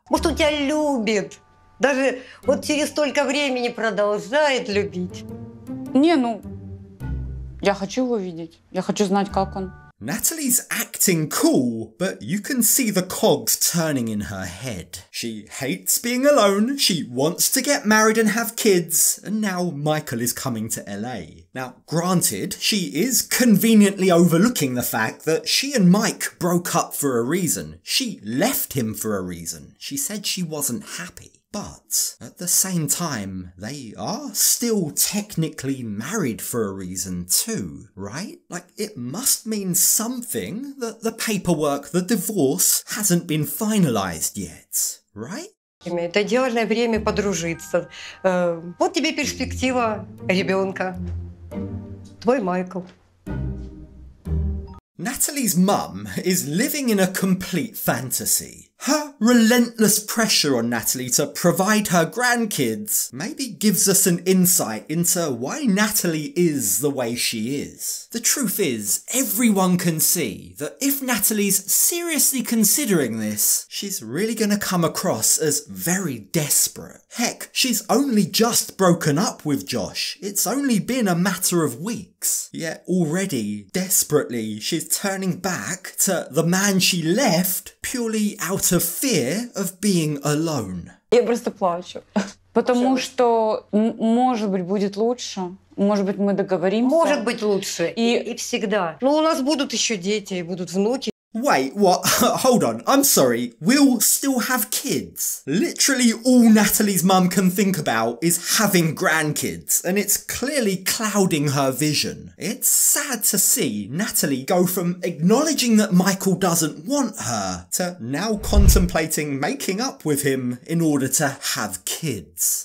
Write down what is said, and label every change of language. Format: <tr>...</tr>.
<ru>Вот он тебя любит. Даже вот через столько времени продолжает любить. Не, ну, я хочу его видеть. Я хочу знать, как он.</ru> <en>Natalie's acting cool, but you can see the cogs turning in her head. She hates being alone, she wants to get married and have kids, and now Michael is coming to LA. Now, granted, she is conveniently overlooking the fact that she and Mike broke up for a reason. She left him for a reason. She said she wasn't happy. But at the same time, they are still technically married for a reason too, right? Like, it must mean something that the paperwork, the divorce, hasn't been finalized yet, right?</en> <ru>Это идеальное время подружиться. Вот тебе перспектива ребенка. Твой Майкл.</ru> <en>Natalie's mum is living in a complete fantasy. Her relentless pressure on Natalie to provide her grandkids maybe gives us an insight into why Natalie is the way she is. The truth is, everyone can see that if Natalie's seriously considering this, she's really gonna come across as very desperate. Heck, she's only just broken up with Josh. It's only been a matter of weeks. Yet already, desperately, she's turning back to the man she left purely out of fear of being alone.</en> <ru>Я просто плачу, потому что может быть будет лучше, может быть мы договоримся. Может быть лучше и всегда. Но у нас будут еще дети и будут внуки.</ru> <en>Wait, what? Hold on, I'm sorry. We'll still have kids. Literally all Natalie's mum can think about is having grandkids, and it's clearly clouding her vision. It's sad to see Natalie go from acknowledging that Michael doesn't want her to now contemplating making up with him in order to have kids.</en>